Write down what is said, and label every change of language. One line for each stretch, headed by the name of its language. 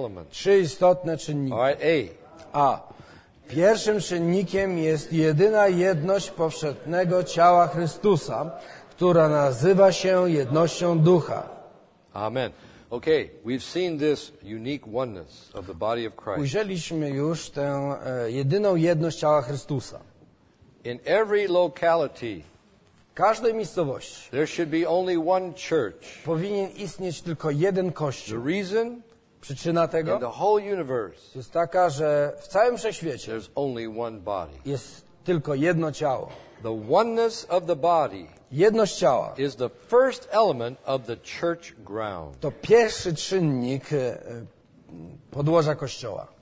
Polish: Trzy istotne czynniki. A. Pierwszym czynnikiem jest jedyna jedność powszechnego ciała Chrystusa, która nazywa się jednością ducha. Amen.
English: Okay, we've seen this unique oneness of the body of Christ.
Polish: Ujrzeliśmy już tę jedyną jedność ciała Chrystusa.
English: In every locality,
Polish: w każdej miejscowości
English: there should be only one church.
Polish: Powinien istnieć tylko jeden kościół.
English: The reason
Polish: przyczyna tego
English: in the whole universe
Polish: jest taka, że w całym wszechświecie
English: there's only one body.
Polish: Jest tylko jedno ciało.
English: The oneness of the body
Polish: jedność ciała
English: is the first element of the church ground.
Polish: To pierwszy czynnik podłoża kościoła.